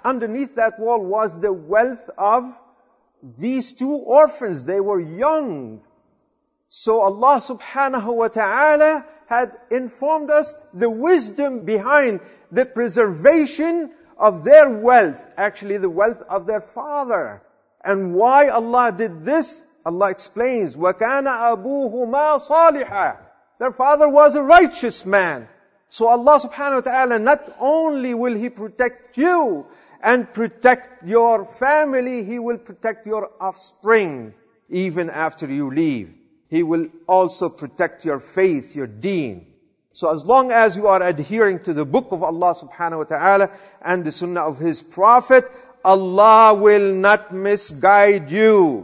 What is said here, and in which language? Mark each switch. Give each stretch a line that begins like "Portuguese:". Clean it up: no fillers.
English: Underneath that wall was the wealth of these two orphans. They were young. So Allah subhanahu wa ta'ala had informed us the wisdom behind the preservation of their wealth, actually the wealth of their father. And why Allah did this? Allah explains,
Arabic: وَكَانَ أَبُوهُمَا صَالِحًا.
English: Their father was a righteous man. So Allah subhanahu wa ta'ala, not only will He protect you and protect your family. He will protect your offspring even after you leave. He will also protect your faith, your deen. So as long as you are adhering to the book of Allah subhanahu wa ta'ala and the sunnah of His Prophet, Allah will not misguide you.